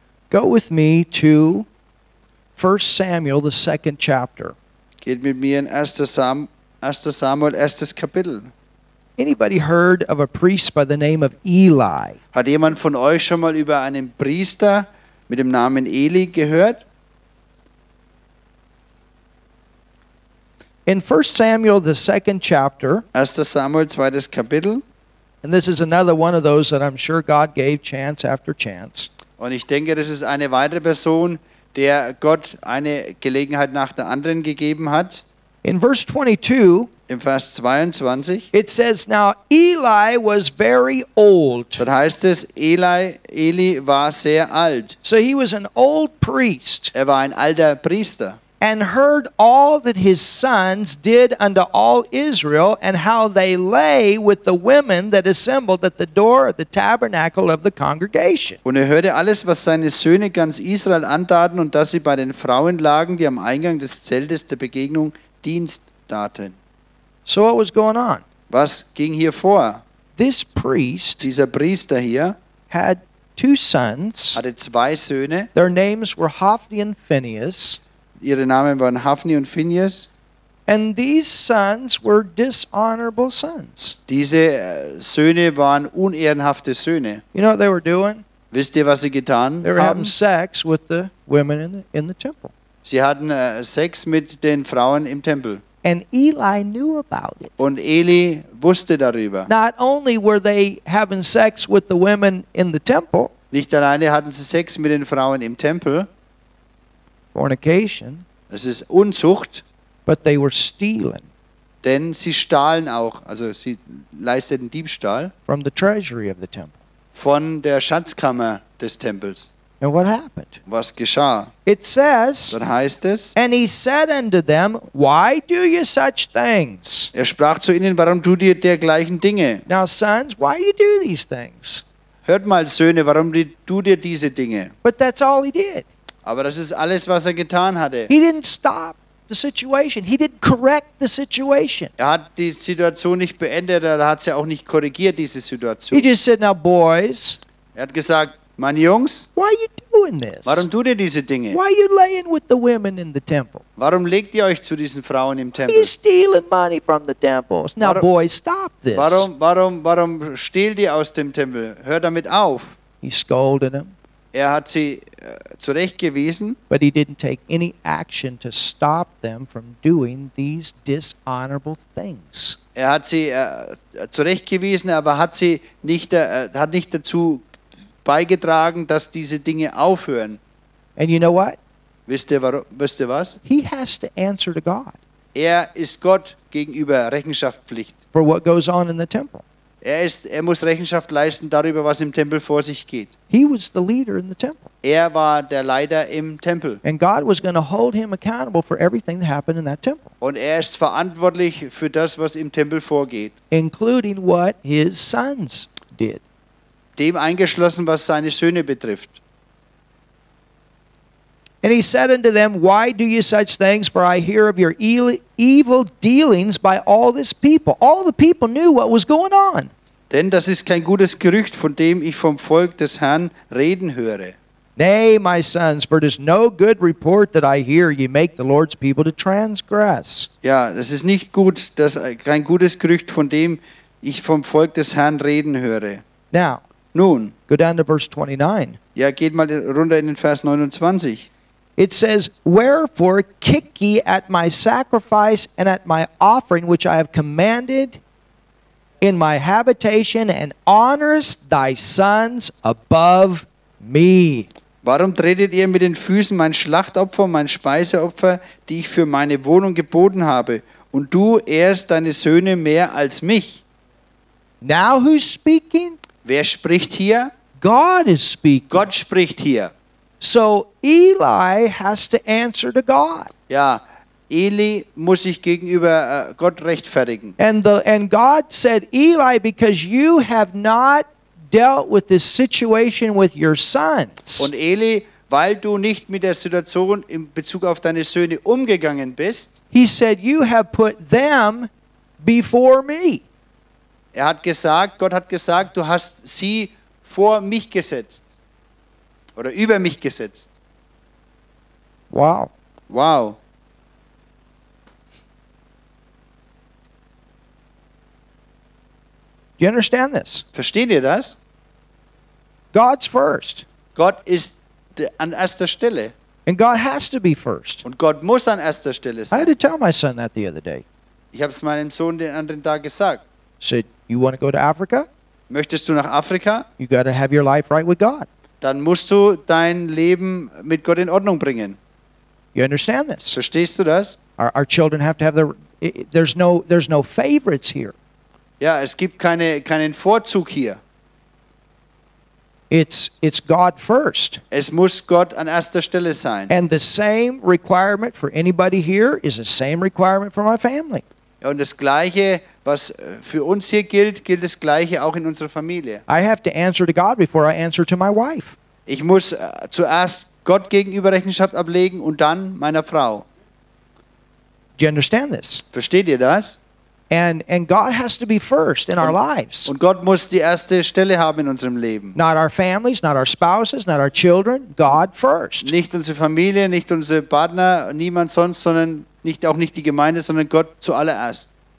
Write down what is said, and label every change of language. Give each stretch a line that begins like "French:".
English: Go with me to 1 Samuel, the second chapter.
German: Geht mit mir in 1. Samuel, erstes Kapitel.
English: Anybody heard of a priest by the name of Eli?
German: Hat jemand von euch schon mal über einen Priester mit dem Namen Eli gehört?
English: In 1 Samuel, the second chapter,
German: 1. Samuel, zweites Kapitel.
English: And this is another one of those that I'm sure God gave chance after chance.
German: Und ich denke, das ist eine weitere Person, der Gott eine Gelegenheit nach der anderen gegeben hat.
English: In verse 22,
German: im Vers 22,
English: it says, now Eli was very old.
German: Das heißt es, Eli war sehr alt.
English: So he was an old priest.
German: Er war ein alter Priester.
English: And heard all that his sons did unto all Israel, and how they lay with the women that assembled at the door of the tabernacle of the congregation.
German: Und hörte alles, was seine Söhne ganz Israel antaten, und dass sie bei den Frauen lagen, die am Eingang des Zeltes der Begegnung Dienst taten.
English: So what was going on?
German: Was ging hier vor?
English: This priest,
German: dieser Priester hier,
English: had two sons.
German: Hatte zwei Söhne.
English: Their names were Hophni and Phinehas.
German: Ihre Namen waren Hophni und Phinehas.
English: And these sons were dishonorable sons.
German: Diese Söhne waren unehrenhafte Söhne.
English: You know what they were doing?
German: Wisst ihr, was sie getan haben?
English: They were having sex with the women in the temple.
German: Sie hatten Sex mit den Frauen im Tempel.
English: And Eli knew about it.
German: Und Eli wusste darüber.
English: Not only were they having sex with the women in the temple.
German: Nicht alleine hatten sie Sex mit den Frauen im Tempel.
English: Fornication.
German: Es ist Unzucht.
English: But they were stealing.
German: Denn sie stahlen auch, also sie leisteten Diebstahl.
English: From the treasury of the temple.
German: Von der Schatzkammer des Tempels.
English: And what happened?
German: Was geschah?
English: It says.
German: Dann heißt es.
English: And he said unto them, why do you such things?
German: Er sprach zu ihnen, warum tut ihr dergleichen Dinge?
English: Now sons, why do you do these things?
German: Hört mal Söhne, warum tut ihr diese Dinge?
English: But that's all he did.
German: Aber das ist alles, was er getan hatte.
English: He didn't stop the situation. He didn't correct the situation.
German: Er hat die Situation nicht beendet, er hat sie auch nicht korrigiert, diese Situation.
English: He just said, now boys.
German: Er hat gesagt, meine Jungs.
English: Why are you doing this?
German: Warum tut ihr diese Dinge?
English: Why are you laying with the women in the temple?
German: Warum legt ihr euch zu diesen Frauen im Tempel?
English: Why are you stealing money from the temples? Now
German: warum,
English: boys, stop this.
German: Warum stehlt ihr aus dem Tempel? Hör damit auf.
English: He scolded them.
German: Er hat sie zurechtgewiesen.
English: But he didn't take any action to stop them from doing these dishonorable things.
German: Er hat sie zurechtgewiesen, aber hat sie nicht hat nicht dazu beigetragen, dass diese Dinge aufhören.
English: And you know what?
German: Wisst ihr was?
English: He has to answer to God.
German: Er ist Gott gegenüber Rechenschaftspflicht.
English: For what goes on in the temple.
German: Er muss Rechenschaft leisten darüber, was im Tempel vor sich geht.
English: He was the leader in the temple.
German: Er war der Leiter im Tempel.
English: And God was going to hold him accountable for everything that happened in that temple.
German: Und er ist verantwortlich für das, was im Tempel vorgeht.
English: Including what his sons did.
German: Dem eingeschlossen, was seine Söhne betrifft.
English: And he said unto them, why do you such things? For I hear of your evil dealings by all this people. All the people knew what was going on.
German: Denn das ist kein gutes Gerücht, von dem ich vom Volk des Herrn reden höre.
English: Nay, my sons, for it is no good report that I hear ye make the Lord's people to transgress.
German: Ja, das ist nicht gut, das kein gutes Gerücht, von dem ich vom Volk des Herrn reden höre.
English: Now,
German: nun,
English: go down to verse 29.
German: Ja, geht mal runter in den Vers 29.
English: It says, wherefore kick ye at my sacrifice and at my offering which I have commanded in my habitation and honorest thy sons above me.
German: Warum tretet ihr mit den Füßen mein Schlachtopfer, mein Speiseopfer, die ich für meine Wohnung geboten habe, und du ehrst deine Söhne mehr als mich?
English: Now who's speaking?
German: Wer spricht hier?
English: God is speaking.
German: Gott spricht hier.
English: So Eli has to answer to God.
German: Ja, Eli muss sich gegenüber Gott rechtfertigen.
English: And God said, Eli, because you have not dealt with this situation with your sons.
German: Und Eli, weil du nicht mit der Situation in Bezug auf deine Söhne umgegangen bist.
English: He said, you have put them before me.
German: Er hat gesagt, Gott hat gesagt, du hast sie vor mich gesetzt oder über mich gesetzt.
English: Wow. Wow. You understand this?
German: Versteht ihr das?
English: God's first.
German: Gott ist an erster Stelle.
English: And God has to be first.
German: Und Gott muss an erster Stelle sein.
English: I had to tell my son that the other day.
German: Ich habe es meinem Sohn den anderen Tag gesagt.
English: Said, you want to go to Africa?
German: Möchtest du nach Afrika?
English: You got to have your life right with God.
German: Dann musst du dein Leben mit Gott in Ordnung bringen.
English: You understand this?
German: Verstehst du das?
English: Our children have to have there's no favorites here.
German: Ja, es gibt keinen Vorzug hier.
English: It's God first.
German: Es muss Gott an erster Stelle sein.
English: And the same requirement for anybody here is the same requirement for my family.
German: Und das Gleiche, was für uns hier gilt, gilt das Gleiche auch in unserer Familie.
English: I have to answer to God before I answer to my wife.
German: Ich muss zuerst Gott gegenüber Rechenschaft ablegen und dann meiner Frau.
English: Do you understand this?
German: Versteht ihr das?
English: And God has to be first in our lives.
German: Und Gott muss die erste Stelle haben in unserem Leben.
English: Not our families, not our spouses, not our children. God first.
German: Nicht unsere Familie, nicht unsere Partner, niemand sonst, sondern nicht auch nicht die Gemeinde, sondern Gott zuallererst.